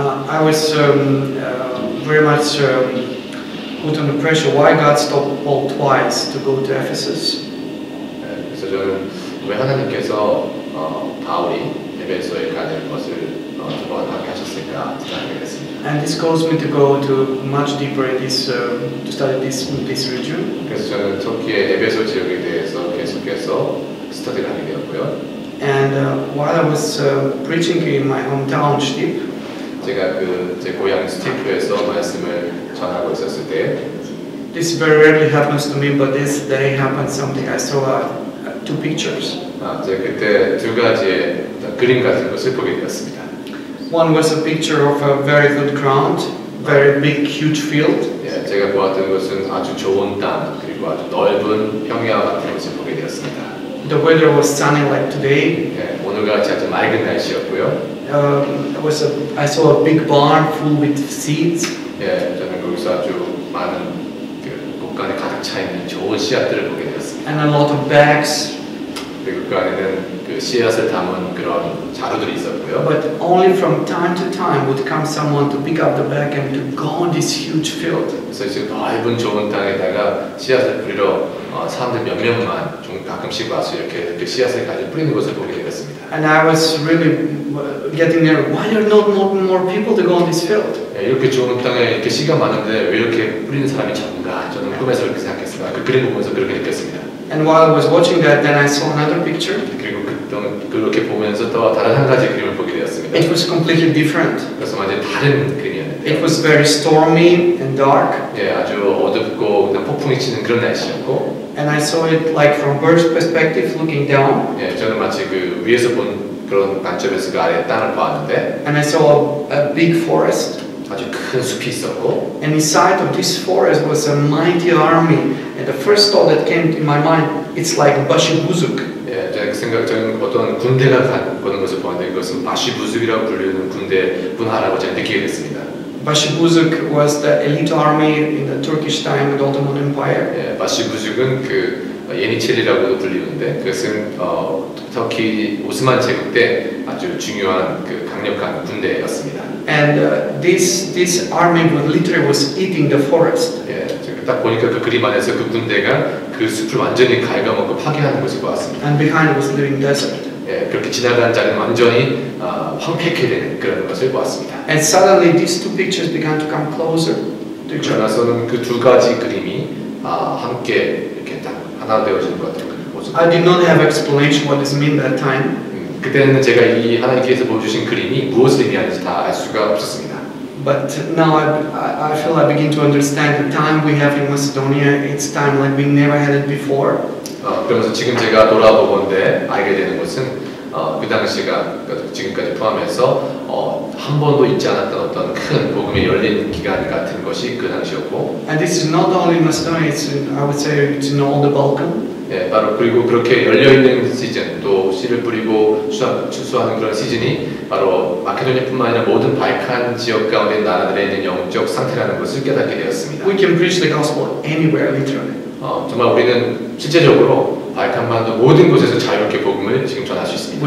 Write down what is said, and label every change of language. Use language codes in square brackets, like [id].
[en] I was very much put under pressure. Why God stopped Paul twice to go to Ephesus? [ko] 그래서 저는 왜 하나님께서 바울이 에베소에 가는 것을 두 번 하게 하셨을까 생각했습니다. [en] And this caused me to go to much deeper in this to study this region. [ko] 그래서 저는 터키의 에베소 지역에 대해서 계속해서 스터디를 하게 되었고요. [en] And while I was preaching in my hometown, Shtip, [ko] 제가 그 제 고향 스티프에서 말씀을 전하고 있었을 때, [en] this very rarely happens to me, but this day happened something. I saw two pictures. [ko] 제가 그때 두 가지의 그림 같은 것을 보게 되었습니다. [en] One was a picture of a very good ground, very big, huge field. [ko] 제가 보았던 것은 아주 좋은 땅 그리고 아주 넓은 평야 같은 것을 보게 되었습니다. [en] The weather was sunny like today. [ko] 오늘같이 아주 맑은 날씨였고요. [en] I saw a big barn full with seeds. [ko] 저는 거기서 아주 많은 곳간에 가득 차 있는 좋은 씨앗들을 보게 되었습니다. [en] And a lot of bags. [ko] 그리고 그 안에는 그 씨앗을 담은 그런 자루들이 있었고요. [en] But only from time to time would come someone to pick up the bag and to go on this huge field. [ko] 그래서 지금 넓은 좋은 땅에다가 씨앗을 뿌리러 사람들 몇 명만 좀 가끔씩 와서 이렇게 그 씨앗을 가지고 뿌리는 것을 보게 되었습니다. [en] And I was really getting there. Why are not more people to go on this field? [ko] 이렇게 좋은 땅에 이렇게 씨가 많은데 왜 이렇게 뿌리는 사람이 적은가? 저는 꿈에서 이렇게 생각했습니다. 그 그림 보면서 그렇게 느꼈습니다. [en] And while I was watching that, then I saw another picture. [ko] 그리고 그렇게 보면서 또 다른 한 가지 그림을 보게 되었습니다. [en] It was completely different. [ko] 그래서 완전 다른 그림이었는데. [en] It was very stormy and dark. [ko] 아주 어둡고 폭풍이 치는 그런 날씨였고. [en] And I saw it like from bird's perspective, looking down. [ko] 저는 마치 그 위에서 본 그런 관점에서 그 아래 땅을 보았는데. [en] And I saw a big forest. [ko] 아주 큰 숲이 있었고. [en] And inside of this forest was a mighty army. And the first thought that came to my mind, it's like Başıbüzük. [ko] 제가 그 생각적인 어떤 군대가 보는 것을 보았는데 그것은 Başıbüzük이라고 불리는 군대 문화라고 제가 느끼게 됐습니다. [en] Başıbüzük was the elite army in the Turkish time of the Ottoman Empire. [ko] 바시부즈크는 그 예니첼리라고도 불리는데 그것은 터키 오스만 제국 때 아주 중요한 그 강력한 군대였습니다. [en] And this army was literally was eating the forest. [ko] 제가 딱 보니까 그 그림 안에서 그 군대가 그 숲을 완전히 갉아먹고 파괴하는 것을 보았습니다. [en] And behind was living desert. [ko] 그렇게 지나간 자는 완전히 황폐케 되는 그런 것을 보았습니다. [en] And suddenly these two pictures began to come closer. [ko] 그러나서는 그 두 가지 그림이 함께 이렇게 딱 하나 되어지는 것 같아요. [en] I did not have explanation what this mean that time. [ko] 그때는 제가 이 하나님께서 보여주신 그림이 무엇을 의미하는지 다 알 수가 없었습니다. [en] But now I feel I begin to understand the time we have in Macedonia. It's time like we never had it before. [ko] 그러면서 지금 제가 돌아보건데 알게 되는 것은 그 당시가 지금까지 포함해서 한 번도 있지 않았던 어떤 큰 복음의 열린 기간 같은 것이 그 당시였고. [en] And this is not only Macedonia. It's in, I would say it's in all the Balkan. [ko] 바로 그리고 그렇게 열려 있는 시즌 또 씨를 뿌리고 추수하는 그런 시즌이 바로 마케도니아뿐만 아니라 모든 발칸 지역 가운데 나라들에 있는 영적 상태라는 것을 깨닫게 되었습니다. [en] We can preach the gospel anywhere, literally. [ko] 정말 우리는 실제적으로 발칸반도 모든 곳에서 자유롭게 복음을 지금 전할 수 있습니다.